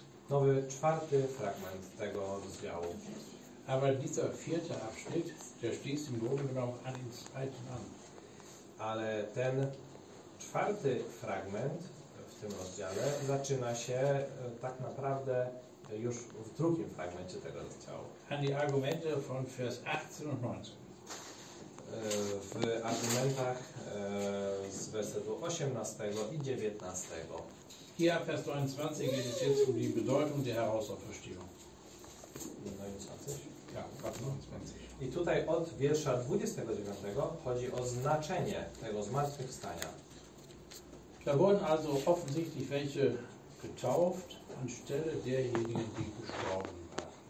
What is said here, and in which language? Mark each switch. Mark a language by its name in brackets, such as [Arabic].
[Polish] Nowy czwarty fragment tego rozdziału. [German] Aber dieser vierte Abschnitt, der schließt im Grunde genommen an den zweiten an. [Polish] Ale ten czwarty fragment w tym rozdziale zaczyna się tak naprawdę już w drugim fragmencie tego rozdziału. [German] An die Argumente von Vers 18 und 19. [Polish] W argumentach z wersetu 18 i 19. [German] Hier Vers 29 geht es jetzt um die Bedeutung der Herausauferstehung. 29? Ja, 29. [Polish] I tutaj od wiersza 29 chodzi o znaczenie tego zmartwychwstania. [German] Da wurden also offensichtlich welche getauft anstelle derjenigen, die gestorben waren.